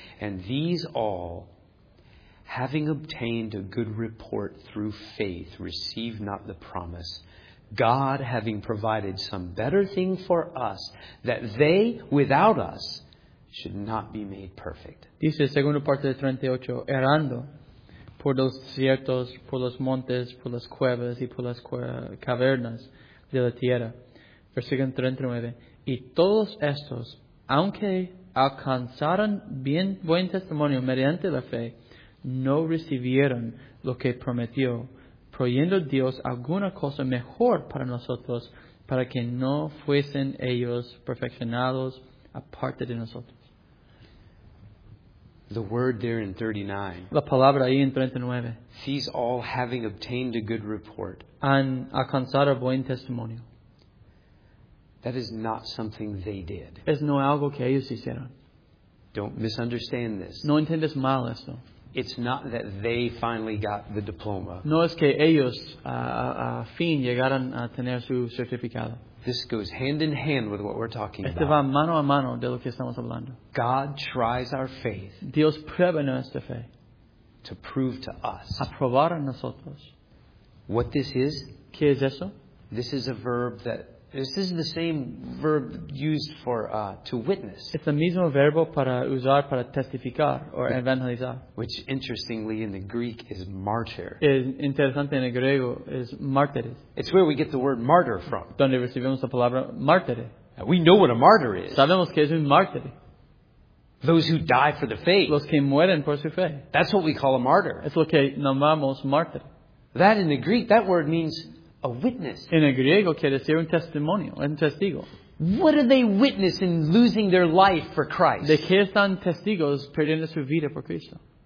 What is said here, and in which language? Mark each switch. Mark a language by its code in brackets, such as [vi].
[en] And these all, having obtained a good report through faith, received not the promise, God having provided some better thing for us, that they, without us, should not be made perfect. [es] Dice, segunda parte de 38, errando por los desiertos, por los montes, por las cuevas y por las cavernas de la tierra. Versículo 39, y todos estos, aunque alcanzaron bien buen testimonio mediante la fe, no recibieron lo que prometió, proyendo Dios alguna cosa mejor para nosotros, para que no fuesen ellos perfeccionados aparte de nosotros. [en] The word there in 39. [es] La palabra ahí en 39. [en] These all having obtained a good report. [es] Han alcanzado buen testimonio. [en] That is not something they did. [es] Es no algo que ellos hicieron. [en] Don't misunderstand this. [es] No entiendes mal esto. [en] It's not that they finally got the diploma. [es] No es que ellos a fin llegaron a tener su certificado. [en] This goes hand in hand with what we're talking este about. [es] Va mano a mano de lo que estamos hablando. [en] God tries our faith. [es] Dios prueba nuestra fe. [en] To prove to us. [es] A probar a nosotros. [en] What this is? [es] ¿Qué es eso? [en] This is a verb that this is the same verb used for to witness. [es] Es el mismo verbo para usar para testificar o evangelizar. [en] Which interestingly in the Greek is martyr. [es] Es interesante en el griego es mártires. [en] It's where we get the word martyr from. [es] Donde recibimos la palabra mártire. [en] We know what a martyr is. [es] Sabemos que es un mártir. [en] Those who die for the faith. [es] Los que mueren por su fe. [en] That's what we call a martyr. [es] Es lo que llamamos mártir. [en] That in the Greek, that word means a witness. [es] En el griego quiere decir un testimonio, un testigo. [en] What do they witness in losing their life for Christ? [es] ¿De qué están testigos perdiendo su vida por Cristo?